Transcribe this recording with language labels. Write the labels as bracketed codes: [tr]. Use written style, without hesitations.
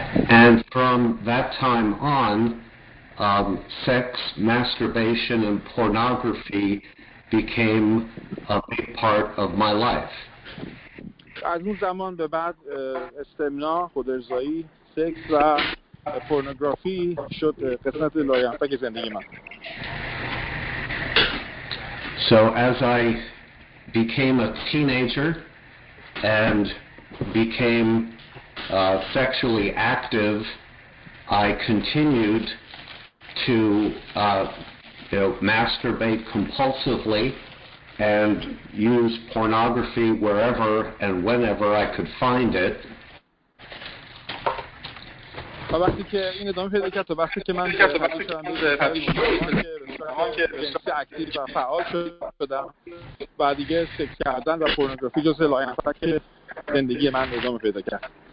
[en] And from that time on sex, masturbation and pornography became a big part of my life. [fa] از اون زمان به بعد استمنا، خودارضایی، سکس و پورنوگرافی شد قسمت لایه‌انفک زندگی من. [en] So as I became a teenager and became sexually active, I continued to masturbate compulsively and use pornography wherever and whenever I could find it. [fa] وقتی که این ادامه پیدا کرد تا وقتی که من شدم و پورنوگرافی جزء لایه‌انفک زندگی من ادامه پیدا کرد.